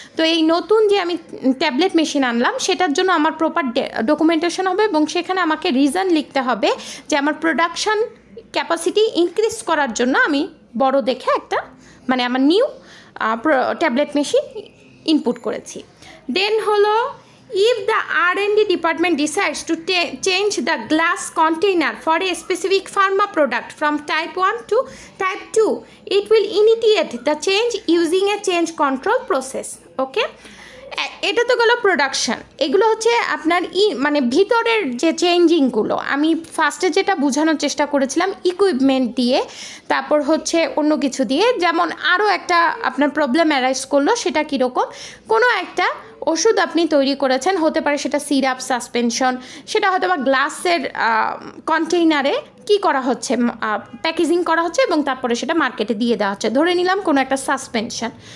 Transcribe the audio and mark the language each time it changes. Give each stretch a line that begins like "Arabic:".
Bangla: তো এই নতুন যে আমি ট্যাবলেট মেশিন আনলাম সেটার জন্য আমার প্রপার ডকুমেন্টেশন হবে, এবং সেখানে আমাকে রিজন লিখতে হবে যে আমার প্রোডাকশন ক্যাপাসিটি ইনক্রিজ করার জন্য আমি বড় দেখে একটা মানে আমার নিউ ট্যাবলেট মেশিন ইনপুট করেছি। দেন হলো
English: If the R&D department decides to change the glass container for a specific pharma product from type 1 to type 2, it will initiate the change using a change control process. Okay?
Bangla: এটা তো গেলো production, এগুলো হচ্ছে আপনার ই মানে ভিতরের যে চেঞ্জিংগুলো। আমি ফার্স্টে যেটা বোঝানোর চেষ্টা করেছিলাম ইকুইপমেন্ট দিয়ে, তারপর হচ্ছে অন্য কিছু দিয়ে, যেমন আরও একটা আপনার প্রবলেম অ্যারাইজ করলো সেটা কীরকম, কোনো একটা ওষুধ আপনি তৈরি করেছেন, হতে পারে সেটা সিরাপ, সাসপেনশন, সেটা হয়তো বা গ্লাসের কন্টেইনারে কী করা হচ্ছে, প্যাকেজিং করা হচ্ছে এবং তারপরে সেটা মার্কেটে দিয়ে দেওয়া হচ্ছে, ধরে নিলাম কোনো একটা সাসপেনশন।